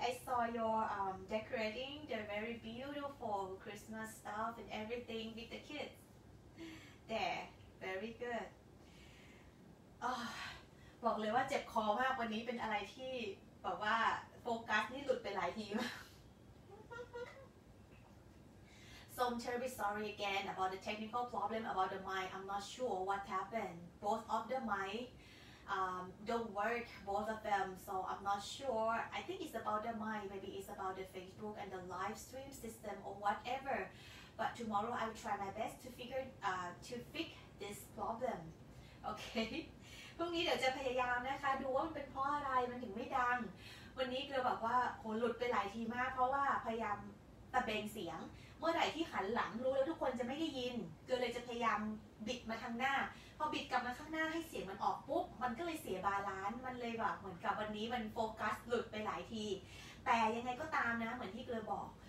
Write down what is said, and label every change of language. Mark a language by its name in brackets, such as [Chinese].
[English] I saw your decorating the very beautiful Christmas stuff and everything with the kids. There, very good. [Thai] Oh, บอกเลยว่าเจ็บคอมากวันนี้เป็นอะไรที่แบบว่าโฟกัสนี่หลุดไปหลายทีมาก [English] So I'm terribly sorry again about the technical problem about the mic. I'm not sure what happened. Both of the mic don't work, both of them. So I'm not sure. I think it's about the mic. Maybe it's about the Facebook and the live stream system or whatever. But tomorrow I will try my best to figure to fix this problem. Okay. [Thai] พรุ่งนี้เดี๋ยวจะพยายามนะคะดูว่ามันเป็นเพราะอะไรมันถึงไม่ดังวันนี้เกลือบอกว่าโหหลุดไปหลายทีมากเพราะว่าพยายามตะเบงเสียงเมื่อไหร่ที่หันหลังรู้แล้วทุกคนจะไม่ได้ยินก็เลยจะพยายามบิดมาทางหน้าพอบิดกลับมาข้างหน้าให้เสียงมันออกปุ๊บมันก็เลยเสียบาลานซ์มันเลยแบบเหมือนกับวันนี้มันโฟกัสหลุดไปหลายทีแต่ยังไงก็ตามนะเหมือนที่เกลือบอก